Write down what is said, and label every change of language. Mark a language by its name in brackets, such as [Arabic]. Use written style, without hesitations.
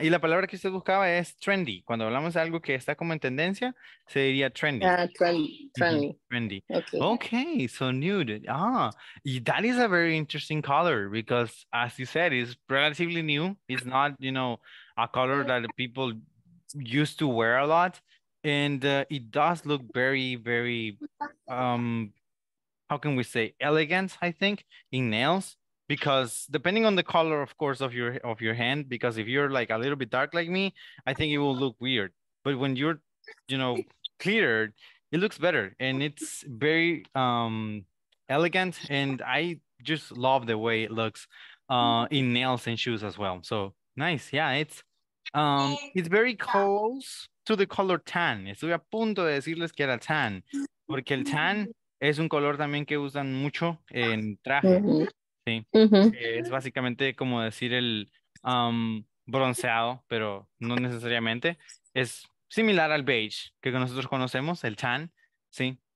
[Spanish] Y la palabra que usted buscaba es trendy. Cuando hablamos de algo que está como en tendencia, se diría trendy. [English] Trendy. Mm-hmm. Trendy. Okay. So nude. Ah, that is a very interesting color because, as you said, it's relatively new. It's not, you know, a color that people used to wear a lot. And it does look very, very... how can we say elegant, I think, in nails? Because depending on the color, of course, of your hand, because if you're like a little bit dark like me, I think it will look weird. But when you're, you know, clearer, it looks better. And it's very elegant. And I just love the way it looks in nails and shoes as well. So nice. Yeah, it's very close to the color tan. [Spanish] Estoy a punto de decirles que era tan. Porque el tan... Es un color también que usan mucho en traje. Sí. Es básicamente como decir el bronceado, pero no necesariamente. Es similar al beige que nosotros conocemos, el tan. Sí.